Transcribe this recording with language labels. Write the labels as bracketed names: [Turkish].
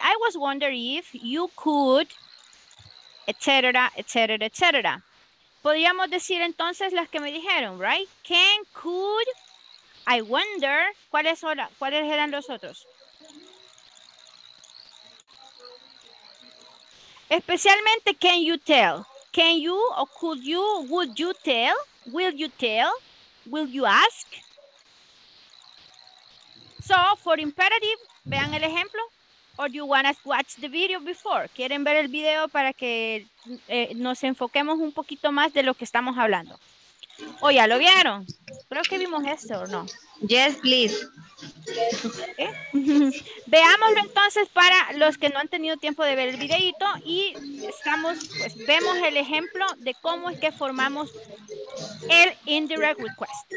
[English] I was wondering if you could, etc., etc., etc. [Spanish] Podríamos decir entonces las que me dijeron, right? [English] Can, could, I wonder, [Spanish] ¿cuáles eran los otros? [English] Especialmente, can you tell? Can you, or could you, would you tell? Will you tell? Will you ask? So, for imperative, [Spanish] vean el ejemplo. [English] Or do you want to watch the video before? [Spanish] ¿Quieren ver el video para que nos enfoquemos un poquito más de lo que estamos hablando? ¿O ya lo vieron? Creo que vimos esto, ¿o no? [English] Yes, please. [Spanish] Veámoslo entonces para los que no han tenido tiempo de ver el videito y vemos el ejemplo de cómo es que formamos el indirect request.